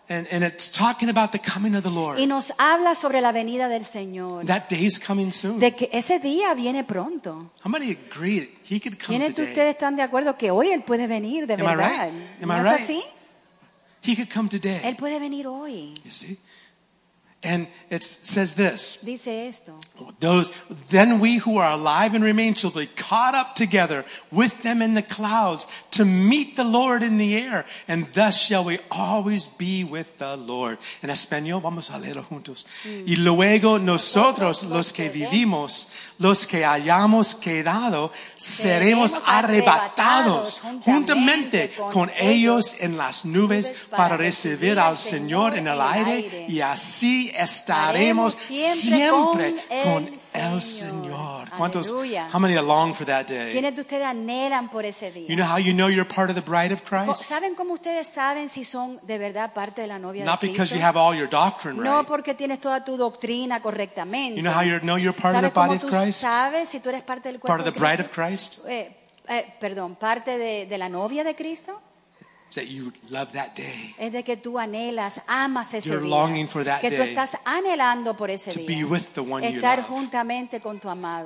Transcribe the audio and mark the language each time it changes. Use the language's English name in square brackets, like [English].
[English] And it's talking about the coming of the Lord. [Spanish] Y nos habla sobre la venida del Señor. [English] That day is coming soon. [Spanish] De que ese día viene pronto. [English] How many agree that he could come today? [Spanish] ¿Quiénes de ustedes están de acuerdo que hoy él puede venir de verdad? [English] Am I right? Am I right? [Spanish] ¿No es así? [English] He could come today. [Spanish] Él puede venir hoy. [English] You see? And it says this. [Spanish] Dice esto. [English] Then we who are alive and remain shall be caught up together with them in the clouds to meet the Lord in the air. And thus shall we always be with the Lord. [Spanish] En español, vamos a leerlo juntos. Y luego nosotros, los que vivimos, los que hayamos quedado, seremos arrebatados juntamente con ellos en las nubes para recibir al Señor en el aire. Y así estaremos siempre con el Señor. ¿Cuántos, [English] how many long for that day? [Spanish] ¿Quiénes de ustedes anhelan por ese día? [English] You know how you know you're part of the bride of Christ? [Spanish] ¿Saben cómo ustedes saben si son de verdad parte de la novia de Cristo? [English] Not because you have all your doctrine right. [Spanish] No porque tienes toda tu doctrina correctamente. [English] You know how you know you're part of the body of Christ? [Spanish] ¿Saben cómo tú sabes si tú eres parte del cuerpo? [English] Part of the bride of Christ? [Spanish] Perdón, parte de la novia de Cristo. [English] That you love that day. [Spanish] Es de que tú anhelas, amas ese [English] You're [Spanish] día. [English] Longing for that [Spanish] que [English] day. [Spanish] Que tú estás anhelando por ese [English] to [Spanish] día. [English] To be with the one [Spanish] estar [English] you love. [Spanish] Juntamente con tu amado.